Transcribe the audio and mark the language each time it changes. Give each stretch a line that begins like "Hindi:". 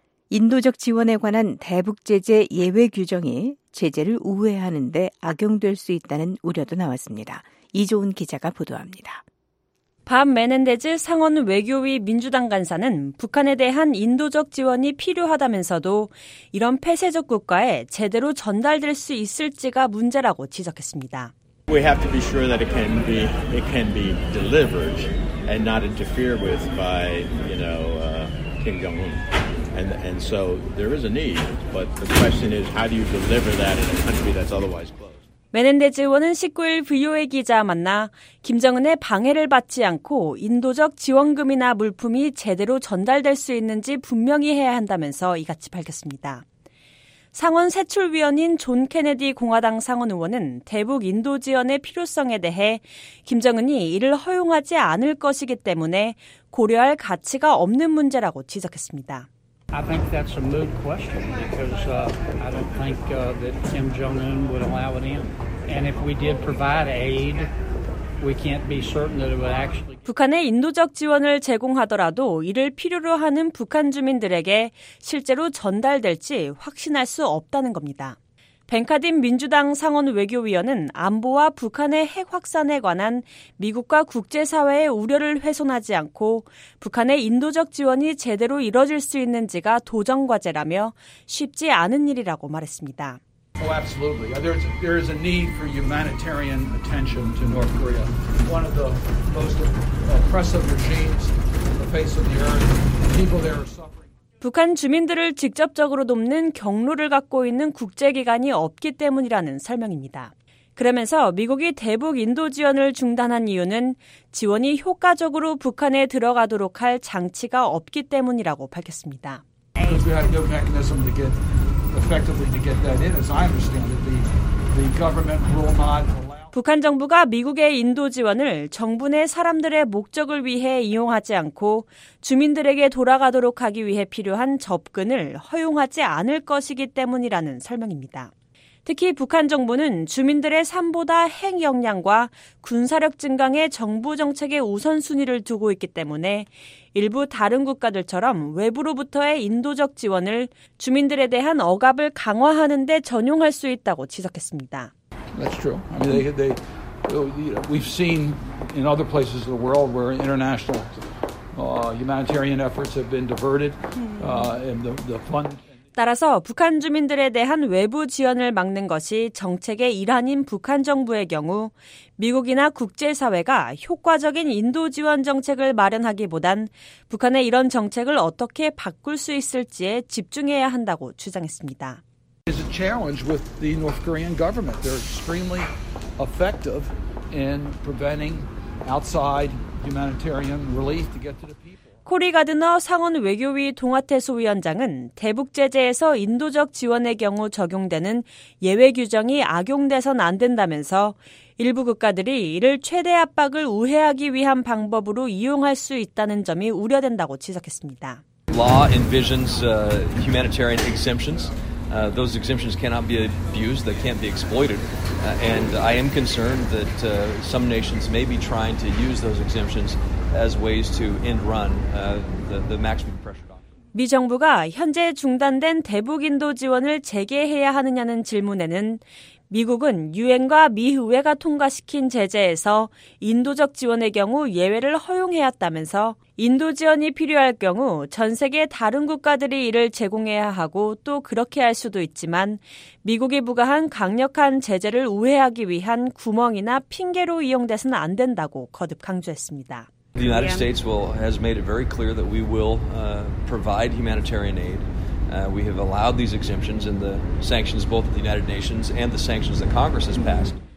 Korean: 인도적 지원에 관한 대북 제재 예외 규정이 제재를 우회하는 데 악용될 수 있다는 우려도 나왔습니다. 이조은 기자가 보도합니다. 밤 메넨데즈 상원 외교위 민주당 간사는 북한에 대한 인도적 지원이 필요하다면서도 이런 폐쇄적 국가에 제대로 전달될 수 있을지가 문제라고 지적했습니다.
English: We have to be sure that it can be delivered and not interfered with by, you know, Kim Jong-un. And so there is a need, but the question is how do you deliver that in a country that's otherwise closed?
Korean: 메넨데즈 의원은 19일 VOA 기자와 만나 김정은의 방해를 받지 않고 인도적 지원금이나 물품이 제대로 전달될 수 있는지 분명히 해야 한다면서 이같이 밝혔습니다. 상원 세출위원인 존 케네디 공화당 상원 의원은 대북 인도 지원의 필요성에 대해 김정은이 이를 허용하지 않을 것이기 때문에 고려할 가치가 없는 문제라고 지적했습니다.
English: I think that's a moot question because I don't think that Kim Jong-un would allow it in. And if we did provide aid, we can't be certain that it would actually.
Korean: 북한에 인도적 지원을 제공하더라도 이를 필요로 하는 북한 주민들에게 실제로 전달될지 확신할 수 없다는 겁니다. 벤카딘 민주당 상원 외교위원은 안보와 북한의 핵 확산에 관한 미국과 국제사회의 우려를 훼손하지 않고 북한의 인도적 지원이 제대로 이뤄질 수 있는지가 도전과제라며 쉽지 않은 일이라고 말했습니다.
English: Oh, absolutely. There is a need for humanitarian attention to North Korea. One of the most oppressive regimes on the face of the earth. People there are suffering.
Korean: 북한 주민들을 직접적으로 돕는 경로를 갖고 있는 국제기관이 없기 때문이라는 설명입니다. 그러면서 미국이 대북 인도 지원을 중단한 이유는 지원이 효과적으로 북한에 들어가도록 할 장치가 없기 때문이라고 밝혔습니다.
English: We had no mechanism to get effectively to get that in, as I understand it. The government will not.
Korean: 북한 정부가 미국의 인도 지원을 정부 내 사람들의 목적을 위해 이용하지 않고 주민들에게 돌아가도록 하기 위해 필요한 접근을 허용하지 않을 것이기 때문이라는 설명입니다. 특히 북한 정부는 주민들의 삶보다 핵 역량과 군사력 증강에 정부 정책의 우선순위를 두고 있기 때문에 일부 다른 국가들처럼 외부로부터의 인도적 지원을 주민들에 대한 억압을 강화하는 데 전용할 수 있다고 지적했습니다.
English: That's true. I mean, they you know, we've seen in other places of the world where international humanitarian efforts have been diverted and the fund.
Korean: 따라서 북한 주민들에 대한 외부 지원을 막는 것이 정책의 일환인 북한 정부의 경우 미국이나 국제사회가 효과적인 인도 지원 정책을 마련하기보단 북한의 이런 정책을 어떻게 바꿀 수 있을지에 집중해야 한다고 주장했습니다.
English: Is a challenge with the North Korean government. They're extremely effective in preventing outside humanitarian relief to get to the people.
Korean: 코리 가드너 상원 외교위 동아태소 위원장은 대북 제재에서 인도적 지원의 경우 적용되는 예외 규정이 악용돼선 안 된다면서 일부 국가들이 이를 최대 압박을 우회하기 위한 방법으로 이용할 수 있다는 점이 우려된다고 지적했습니다.
English: Law envisions humanitarian exemptions. Those exemptions cannot be abused, they can't be exploited. And I am concerned that some nations may be trying to use those exemptions as ways to end run the maximum pressure.
Korean: 미 정부가 현재 중단된 대북 인도 지원을 재개해야 하느냐는 질문에는 미국은 유엔과 미 의회가 통과시킨 제재에서 인도적 지원의 경우 예외를 허용해왔다면서 인도 지원이 필요할 경우 전 세계 다른 국가들이 이를 제공해야 하고 또 그렇게 할 수도 있지만 미국이 부과한 강력한 제재를 우회하기 위한 구멍이나 핑계로 이용돼서는 안 된다고 거듭 강조했습니다.
English: The United States has made it very clear that we will provide humanitarian aid. We have allowed these exemptions in the sanctions both of the United Nations and the sanctions that Congress has passed.